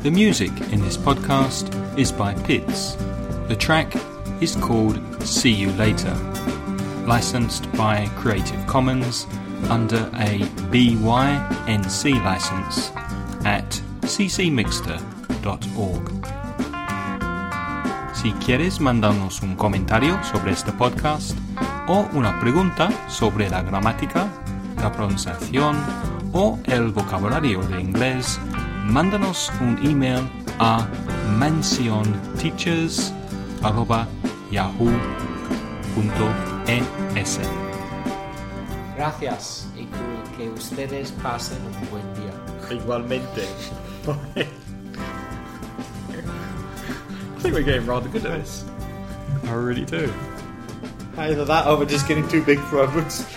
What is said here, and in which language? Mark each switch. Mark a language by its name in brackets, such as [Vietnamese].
[English] The music in this podcast is by Pitts. The track is called See You Later, licensed by Creative Commons under a BYNC license at ccmixter.org. [Spanish] Si quieres mandarnos un comentario sobre este podcast o una pregunta sobre la gramática, la pronunciación o el vocabulario de inglés, mándanos un email a mansionteachers@yahoo.es. Gracias y que ustedes pasen un buen día. Igualmente. [English] I think we're getting rather good at this. I really do. Either that or we're just getting too big for our boots.